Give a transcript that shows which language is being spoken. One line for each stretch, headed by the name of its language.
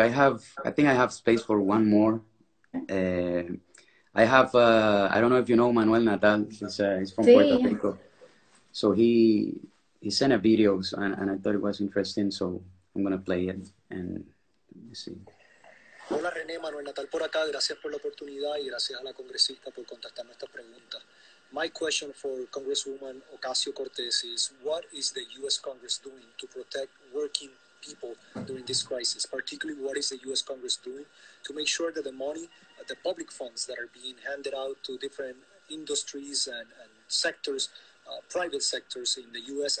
English: I think I have space for one more. I don't know if you know Manuel Natal. He's from Puerto Rico. So he sent a video and I thought it was interesting. So I'm going to play it and let me see.
Spanish: Hola René, Manuel Natal por acá, gracias por la oportunidad y gracias a la congresista por contestar nuestras preguntas.
English: My question for Congresswoman Ocasio-Cortez is, what is the U.S. Congress doing to protect working people during this crisis? Particularly, what is the U.S. Congress doing to make sure that the money, the public funds that are being handed out to different industries and sectors, private sectors in the U.S.